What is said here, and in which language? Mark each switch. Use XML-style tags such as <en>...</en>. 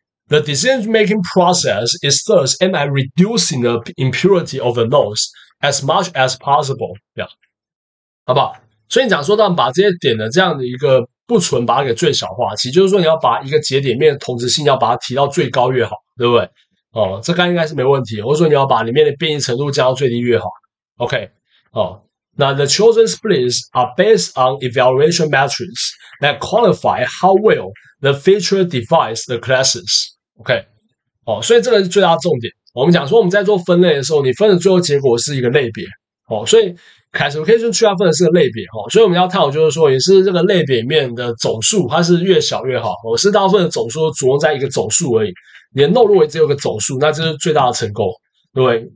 <en>The decision-making process is thus, am I reducing the impurity of the nodes as much as possible？</en> <zh>这样，好不好？所以你讲说，当把这些点的这样的一个不纯，把它给最小化，其实就是说，你要把一个节点里面的同质性要把它提到最高越好，对不对？哦，这刚应该是没问题。或者说，你要把里面的变异程度降到最低越好。</zh> <en>OK，哦，那 the chosen splits are based on evaluation metrics that qualify how well the feature divides the classes。</en> <zh>OK，哦，所以这个是最大重点。我们讲说，我们在做分类的时候，你分的最后结果是一个类别，哦，所以 classification 区划分的是个类别，哦，所以我们要探讨就是说，也是这个类别里面的总数，它是越小越好，哦，是大部分的总数着重在一个总数而已，你的 node 如果只有个总数，那这是最大的成功，对不对？</zh>